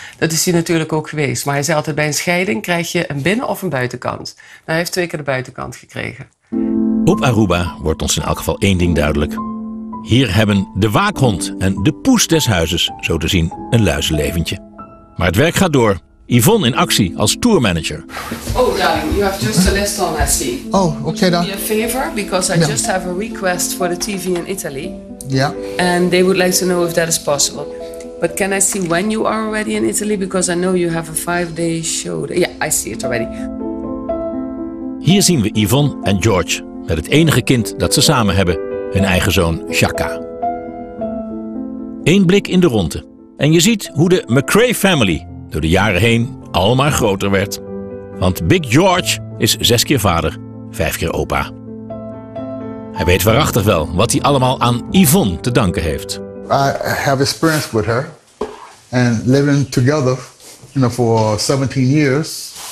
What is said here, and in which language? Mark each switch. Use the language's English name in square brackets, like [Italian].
[Dutch] Dat is hij natuurlijk ook geweest. Maar hij zei altijd, bij een scheiding krijg je een binnen- of een buitenkant. Nou, hij heeft 2 keer de buitenkant gekregen. Op Aruba wordt ons in elk geval 1 ding duidelijk. Hier hebben de waakhond en de poes des huizes, zo te zien, een luizenleventje. Maar het werk gaat door. Yvonne in actie als tourmanager. [English] Oh, darling, you have just a list on SD. Oh, okay, dan. Do me a favor, because I just have a request for the TV in Italy. Yeah. And they would like to know if that is possible. But can I see when you are already in Italy? Because I know you have a 5-day show. Yeah, I see it already. [Dutch] Hier zien we Yvonne en George met het enige kind dat ze samen hebben. Hun eigen zoon, Chaka. 1 blik in de ronde. En je ziet hoe de McRae family door de jaren heen al maar groter werd. Want Big George is 6 keer vader, 5 keer opa. Hij weet waarachtig wel wat hij allemaal aan Yvonne te danken heeft. [English] I have experience with her and living together, you know, for 17 years.